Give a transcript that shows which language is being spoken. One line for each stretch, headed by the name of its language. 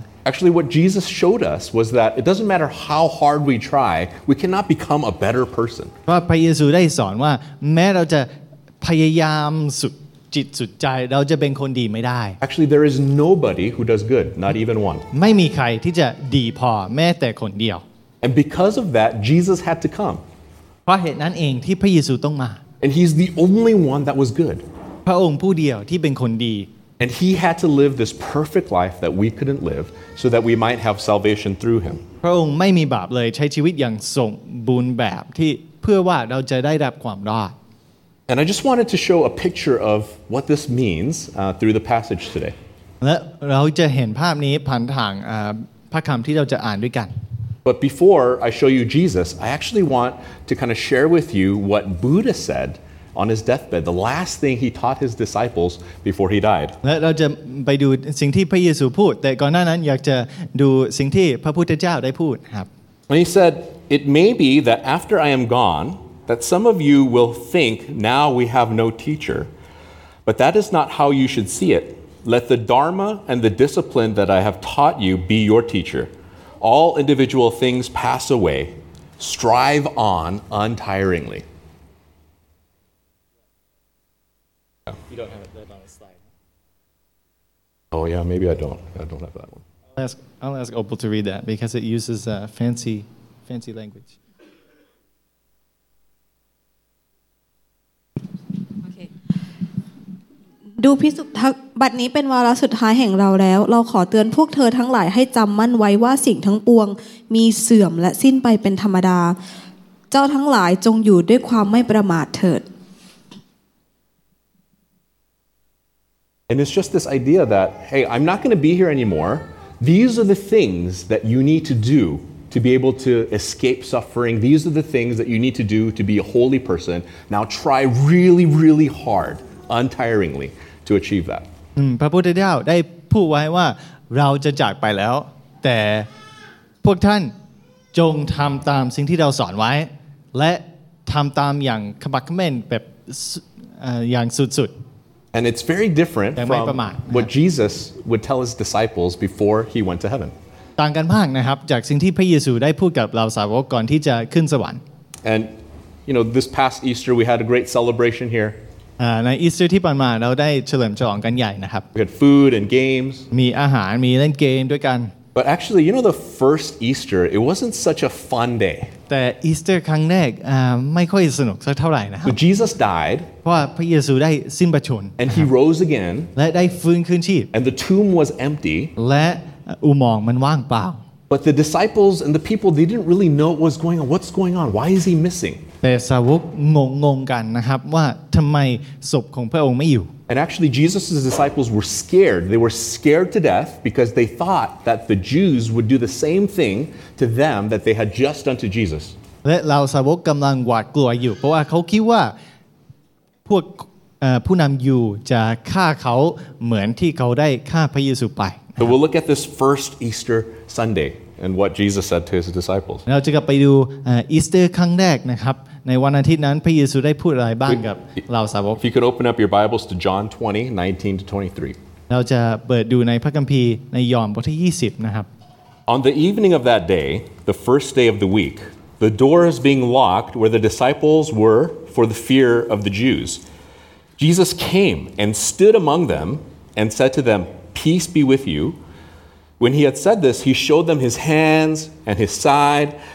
English: Actually, what Jesus showed us was that it doesn't matter how hard we try, we cannot become a better person.
Thai: เพราะพระเยซูได้สอนว่าแม้เราจะพยายามสุดจิตสุดใจเราจะเป็นคนดีไม่ได้
English: Actually there is nobody who does good not even one
Thai: ไม่มีใครที่จะดีพอแม้แต่คนเดียว
English: And because of that Jesus had to come
Thai: เพราะเหตุนั้นเองที่พระเยซูต้องมา
English: And he's the only one that was good
Thai: พระองค์ผู้เดียวที่เป็นคนดี
English: And he had to live this perfect life that we couldn't live so that we might have salvation through him
Thai: พระองค์ไม่มีบาปเลยใช้ชีวิตอย่างสมบูรณ์แบบที่เพื่อว่าเราจะได้รับความรอด
English: And I just wanted to show a picture of what this means through the passage today.
Thai: และเราจะเห็นภาพนี้ผ่านทางพระคำที่เราจะอ่านด้วยกัน
English: But before I show you Jesus, I actually want to kind of share with you what Buddha said on his deathbed, the last thing he taught his disciples before he died.
Thai: และเราจะไปดูสิ่งที่พระเยซูพูดแต่ก่อนหน้านั้นอยากจะดูสิ่งที่พระพุทธเจ้าได้พูดครับ
English: And he said, "It may be that after I am gone,That some of you will think now we have no teacher, but that is not how you should see it. Let the Dharma and the discipline that I have taught you be your teacher. All individual things pass away. Strive on untiringly. You don't have it on the slide. Oh yeah, maybe I don't. I don't have that one. I'll ask Opal to read that because it uses fancy language.
Thai: ดูพิสุทธ์บัดนี้เป็นวาระสุดท้ายแห่งเราแล้วเราขอเตือนพวกเธอทั้งหลายให้จำมั่นไว้ว่าสิ่งทั้งปวงมีเสื่อมและสิ้นไปเป็นธรรมดาเจ้าทั้งหลายจงอยู่ด้วยความไม่ประมาทเถิด
English: And it's just this idea that hey I'm not going to be here anymore these are the things that you need to do to be able to escape suffering these are the things that you need to do to be a holy person now try really really hardUntiringly to achieve that.
Thai: พระพุทธเจ้าได้พูดไว้ว่าเราจะจากไปแล้วแต่พวกท่านจงทำตามสิ่งที่เราสอนไว้และทำตามอย่างขมักขม้นแบบอย่างสุด
English: And it's very different from what Jesus would tell his disciples before he went to heaven.
Thai: ต่างกันมากนะครับจากสิ่งที่พระเยซูได้พูดกับเราสาวกก่อนที่จะขึ้นสวรรค์
English: And you know, this past Easter we had a great celebration here.
Thai: ในอีสเตอร์ที่ผ่านมาเราได้เฉลิมฉลองกันใหญ่นะครับ
English: We had food and games
Thai: มีอาหารมีเล่นเกมด้วยกัน
English: But actually, you know, the first Easter, it wasn't such a fun day.
Thai: แต่ Easter ครั้งแรกไม่ค่อยสนุกสักเท่าไหร่นะครับ
English: But Jesus died.
Thai: เพราะพระเยซูได้สิ้นพระชน
English: And he rose again.
Thai: และได้ฟื้นคืนชีพ
English: And the tomb was empty.
Thai: และอุโมงค์มันว่างเปล่า
English: But the disciples and the people, they didn't really know what was going on. What's going on? Why is he missing?
Thai: แต่สาวกงงๆกันนะครับว่าทำไมศพของพระองค์ไม่อยู่
English: And actually, Jesus' disciples were scared. They were scared to death because they thought that the Jews would do the same thing to them that they had just done to Jesus.
Thai: และเหล่าสาวกกำลังหวาดกลัวอยู่เพราะว่าเขาคิดว่าพวกผู้นำยูจะฆ่าเขาเหมือนที่เขาได้ฆ่าพระเยซูไป
English: But we'll look at this first Easter Sunday and what Jesus said to his disciples.
Thai: เราจะกลับไปดูอีสเตอร์ครั้งแรกนะครับในวันอาทิตย์นั้นพระเยซูได้พูดอะไรบ้างกับเราสาวก
English: If you could open up your Bibles to John 20, 19 to 23.
Thai: เราจะเปิดดูในพระคัมภีร์ในยอห์นบทที่20นะครับ
English: On the evening of that day, the first day of the week, the doors being locked where the disciples were for the fear of the Jews, Jesus came and stood among them and said to them, Peace be with you. When he had said this, he showed them his hands and his side.